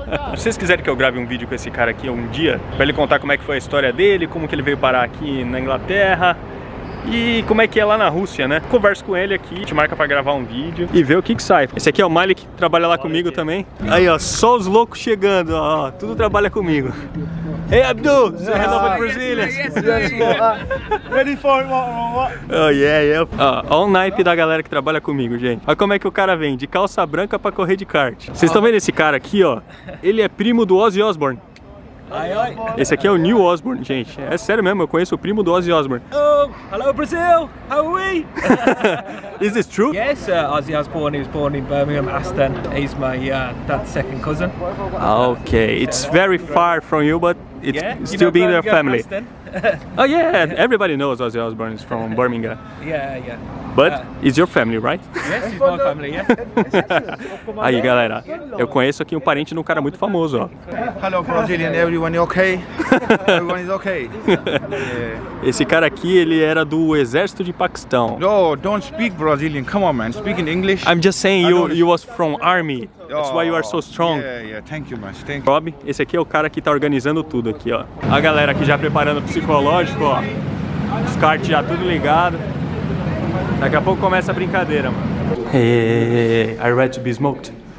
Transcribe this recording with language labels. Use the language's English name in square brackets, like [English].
[Portuguese] Vocês quiserem que eu grave um vídeo com esse cara aqui um dia, pra ele contar como é que foi a história dele, como que ele veio parar aqui na Inglaterra e como é que é lá na Rússia, né? Converso com ele aqui, te marca pra gravar um vídeo e ver o que sai. Esse aqui é o Malik, que trabalha lá comigo também. Aí, ó, só os loucos chegando, ó, tudo trabalha comigo. [English] Hey, Abdul, say hello for the Brazilians. Ready for what? Oh, yeah, yeah. [Portuguese] Olha o naipe da galera que trabalha comigo, gente. Olha como é que o cara vem, de calça branca pra correr de kart. Vocês estão vendo esse cara aqui, ó? Ele é primo do Ozzy Osbourne. Esse aqui é o Neil Osbourne, gente. É sério mesmo, eu conheço o primo do Ozzy Osbourne. [English] Oh, hello, Brazil! How are we? Is this true? Yes, Ozzy Osbourne is born in Birmingham, Aston. He's my dad's second cousin. Okay, it's very far from you, but it's yeah? still being your family. Aston? Oh, yeah, everybody knows Ozzy Osbourne is from Birmingham. Yeah. But it's your family, right? Yes, it's my family, yeah. [Portuguese] Aí, galera, eu conheço aqui um parente de um cara muito famoso, ó. [English] Hello, Brazilian, everyone is okay? Everyone is okay. [Portuguese] Esse cara aqui, ele era do exército de Paquistão. [English] No, don't speak Brazilian. Come on, man, speak in English. I'm just saying you was from army. That's why you are so strong. Yeah, thank you much. Thank you. [Portuguese] Rob, esse aqui é o cara que tá organizando tudo aqui, ó. A galera aqui já preparando o psicológico, ó. Os kart já tudo ligado. Daqui a pouco começa a brincadeira, mano. [English] Hey, are you ready to be smoked?